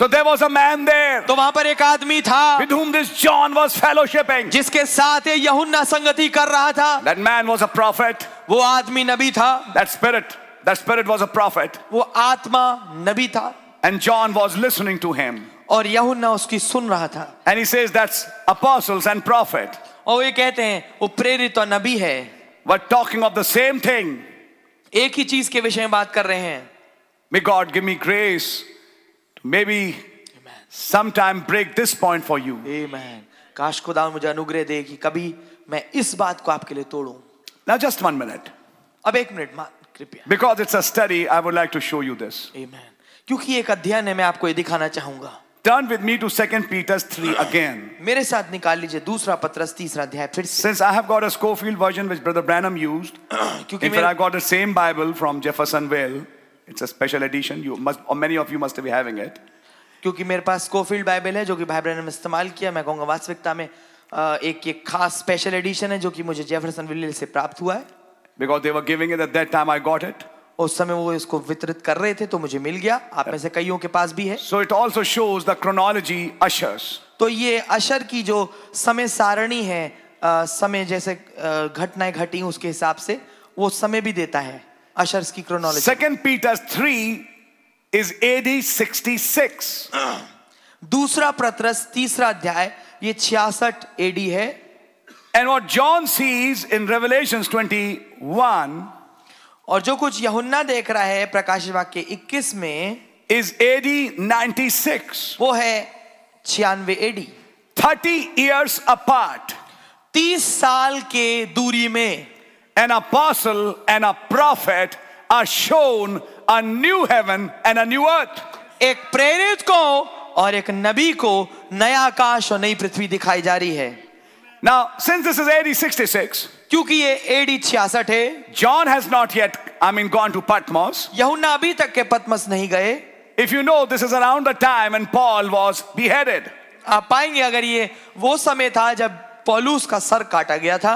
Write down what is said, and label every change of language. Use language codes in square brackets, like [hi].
[en] So there was a man there. [hi] तो वहाँ पर एक आदमी था. [en] With whom this John was fellowshipping. [hi] जिसके साथ ये यहुन्ना संगति कर रहा था. [en] That man was a prophet. [hi] वो आदमी नबी था. [en] That spirit was a prophet. [hi] वो आत्मा नबी था. [en] And John was listening to him. [hi] और यहुन्ना उसकी सुन रहा था. [en] And he says that's apostles and prophet. [hi] और ये कहते हैं वो प्रेरित और नबी है. [en] We're talking of the same thing. [hi] एक ही चीज के विषय में बात कर रहे हैं. [en] May God give me grace to maybe sometime break this point for you. Amen. [hi] काश खुदा मुझे अनुग्रह दे कि कभी मैं इस बात को आपके लिए तोड़ूं. [en] Now just 1 minute. [hi] अब एक मिनट मात्र. [en] Because it's a study, I would like to show you this. [hi] Amen. क्योंकि एक अध्ययन है मैं आपको ये दिखाना चाहूँगा. [en] Turn with me to 2 Peter 3 again. [hi] मेरे साथ निकाल लीजिए दूसरा पत्रस तीसरा अध्याय फिर से. [en] Since I have got a Scofield version which Brother Branham used, [hi] क्योंकि मेरे [en] I got the same Bible from Jeffersonville. It's a special edition. You must, or many of you must be having it. [hi] क्योंकि मेरे पास Scofield Bible है जो कि भाई Branham इस्तेमाल किया मैं कहूँगा वास्तविकता में एक खास special edition है जो कि मुझे Jeffersonville से प्राप्त हुआ है. [en] Because they were giving it at that time, I got it. [hi] उस समय वो इसको वितरित कर रहे थे तो मुझे मिल गया आप में से कईयों के पास भी है [en] So it also shows the chronology ushers. [hi] तो ये अशर की जो समय सारणी है समय जैसे घटनाएं घटी उसके हिसाब से वो समय भी देता है अशर्स की chronology [en] Second Peter 3 is AD 66 [hi] दूसरा पत्रस तीसरा अध्याय ये 66 एडी है [en] And what John sees in Revelations 21 [hi] और जो कुछ यहुन्ना देख रहा है प्रकाश वाक्य 21 में [en] is AD 96 [hi] वो है 96 एडी [en] 30 years apart [hi] 30 साल के दूरी में [en] an apostle and a prophet are shown a new heaven and a new earth [hi] एक प्रेरित को और एक नबी को नया आकाश और नई पृथ्वी दिखाई जा रही है [en] Now, since this is AD 66, [hi] क्योंकि ये AD 66 है, [en] John has not yet, gone to Patmos. [hi] यहूना अभी तक के पत्मस नहीं गए. [en] If you know, this is around the time when Paul was beheaded. [hi] आप पाएंगे अगर ये वो समय था जब पौलुस का सर काटा गया था.